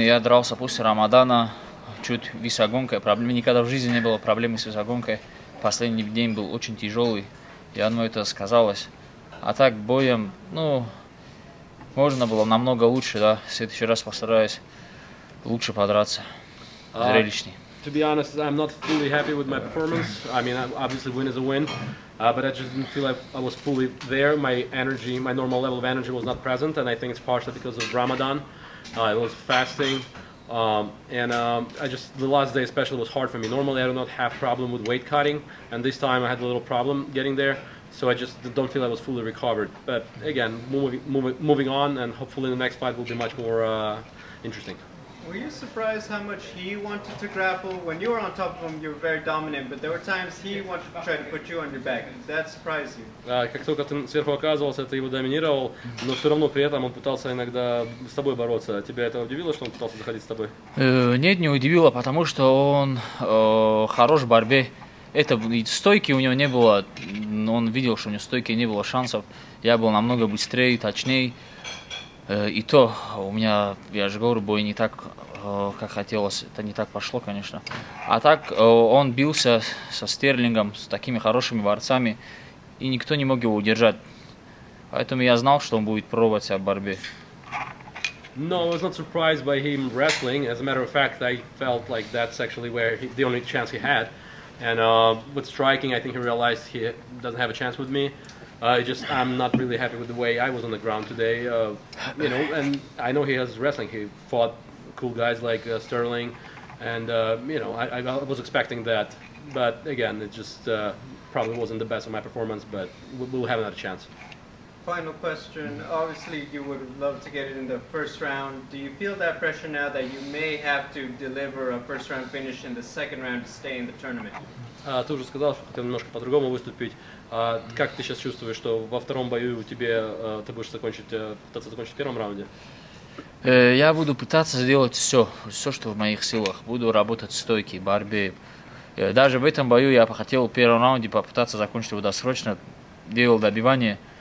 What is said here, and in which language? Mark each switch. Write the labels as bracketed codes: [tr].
[ru] Я дрался после Рамадана, чуть весогонкой. Проблем никогда в жизни не было проблемы с весогонкой. Последний день был очень тяжелый, и оно это сказалось. А так боем, ну, можно было намного лучше, да. В следующий раз постараюсь лучше подраться, зрелищней. [en] To be honest, I'm not fully happy with my performance. I mean, obviously, win is a win, but I just didn't feel like I was fully there. My energy, my normal level of energy was not present, and I think it's partially because of Ramadan. It was fasting, I just, the last day especially was hard for me. Normally, I do not have problem with weight cutting, and this time I had a little problem getting there, so I just don't feel I was fully recovered. But again, moving on, and hopefully the next fight will be much more interesting. Were you surprised how much he wanted to grapple? When you were on top of him, you were very dominant, but there were times he wanted to try to put you on your back. Did that surprise you? [ru] Как только ты сверху оказывался, ты его доминировал, но все равно при этом он пытался иногда с тобой бороться. Тебя это удивило, что он пытался заходить с тобой? Нет, не удивило, потому что он хорош в борьбе. Это стойки у него не было, но он видел, что у него стойки не было шансов. Я был намного быстрее, точнее. И то, у меня, я же говорю, бой не так, как хотелось, это не так пошло, конечно. А так, он бился со Стерлингом, с такими хорошими борцами, и никто не мог его удержать. Поэтому я знал, что он будет пробовать себя в борьбе. [en] No, I was not surprised by him wrestling. As a matter of fact, I felt like that's actually where he, the only chance he had. And with striking, I think he realized he doesn't have a chance with me. I'm not really happy with the way I was on the ground today, you know, and I know he has wrestling, he fought cool guys like Sterling, and, you know, I was expecting that, but again, it just probably wasn't the best of my performance, but we'll have another chance. Final question, obviously you would love to get it in the first round, do you feel that pressure now that you may have to deliver a first round finish in the second round to stay in the tournament? [ru] Ты уже сказал, что хотел немножко по-другому выступить. Как ты сейчас чувствуешь, что во втором бою ты будешь пытаться закончить в первом раунде? Я буду пытаться сделать все, что в моих силах. Буду работать в стойке, в борьбе. Даже в этом бою я хотел в первом раунде попытаться закончить его досрочно. Делал добивание.